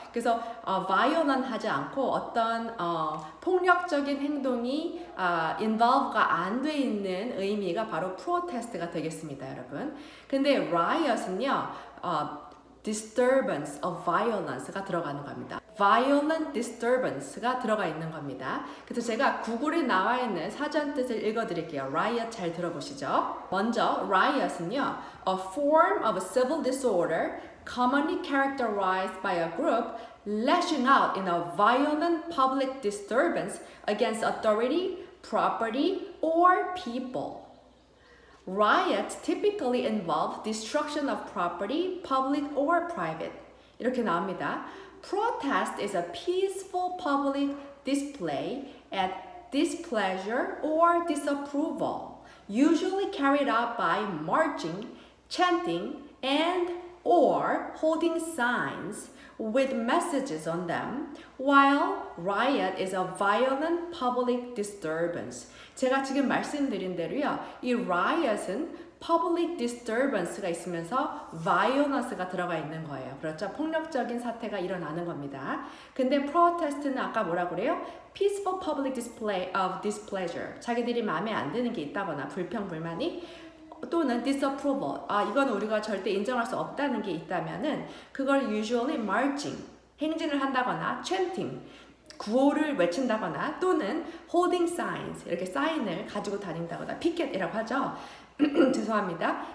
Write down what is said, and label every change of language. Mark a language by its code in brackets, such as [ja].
[ko] 그래서, violent 하지 않고, 어떤, 폭력적인 행동이, involve가 안 돼 있는 의미가 바로 프로테스트가 되겠습니다, 여러분. 근데 riot은요, [en] disturbance of violence [ko] 가 들어가는 겁니다. [en] violent disturbance [ko] 가 들어가 있는 겁니다. 그래서 제가 구글에 나와 있는 사전 뜻을 읽어드릴게요. riot 잘 들어보시죠. [en] 먼저 riot은요, a form of a civil disorder commonly characterized by a group lashing out in a violent public disturbance against authority, property, or people. Riots typically involve destruction of property, public or private. [ko] 이렇게 나옵니다. [en] Protest is a peaceful public display at displeasure or disapproval, usually carried out by marching, chanting, and or holding signs with messages on them, while riot is a violent public disturbance. [ko] 제가 지금 말씀드린 대로요, 이 riot은 [en] public disturbance [ko] 가 있으면서 violence가 들어가 있는 거예요. 그렇죠? 폭력적인 사태가 일어나는 겁니다. 근데 protest는 아까 뭐라 그래요? [en] peaceful public display of displeasure. [ko] 자기들이 마음에 안 드는 게 있다거나 불평, 불만이 또는 disapproval, 이건 우리가 절대 인정할 수 없다는 게 있다면은 그걸 usually marching, 행진을 한다거나 chanting, 구호를 외친다거나 또는 [en] holding signs, [ko] 이렇게 사인을 가지고 다닌다거나 picket이라고 하죠. 죄송합니다.